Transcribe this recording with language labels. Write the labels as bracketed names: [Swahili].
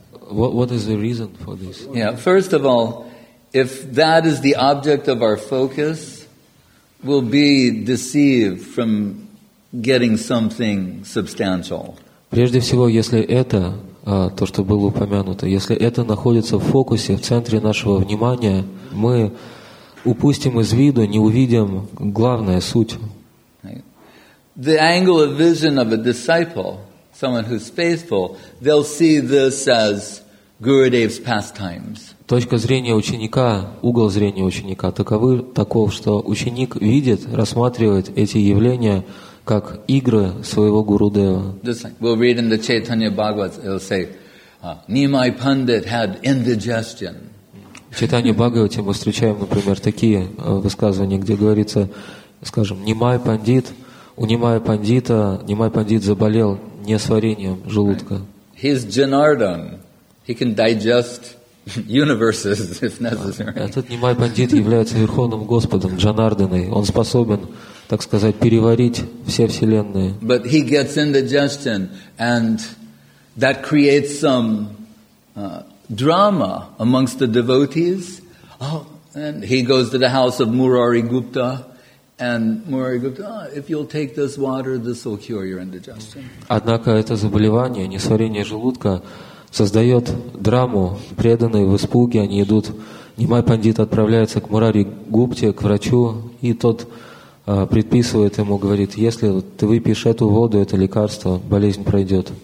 [English] What is the reason for this? Yeah, first of all, if that is the object of our focus, we'll be deceived from getting something substantial. [Russian] Прежде всего, если это, то, что было упомянуто, если это находится в фокусе, в центре нашего внимания, мы упустим из виду, не увидим главную суть. [English] The angle of vision of a disciple, someone who's faithful, they'll see this as Gurudev's pastimes. [Russian] Точка зрения ученика, угол зрения ученика таков, что ученик видит, рассматривает эти явления как игры своего Гурудева. [English] We'll read in the Chaitanya Bhagavat, it'll say, Nimai Pandit had indigestion. [Russian] В Чайтанье Бхагавате мы встречаем, например, такие высказывания, где говорится, скажем, Нимай Пандит, у Нимай Пандита, Нимай Пандит заболел несварением желудка. [English] He's Janardan. He can digest universes if necessary. [Russian] Этот Нимай Пандит является Верховным Господом Джанарданой. Он способен, так сказать, переварить все вселенные. [English] But he gets indigestion, and that creates some drama amongst the devotees. Oh, and he goes to the house of Murari Gupta, and Murari Gupta, if you'll take this water, this will cure your indigestion. [Russian] Однако это заболевание, несварение желудка, создает драму. Преданные в испуге, они идут, Нимай Пандит отправляется к Мурари Гупте, к врачу, и тот предписывает ему, говорит, если ты выпьешь эту воду, это лекарство, болезнь пройдет.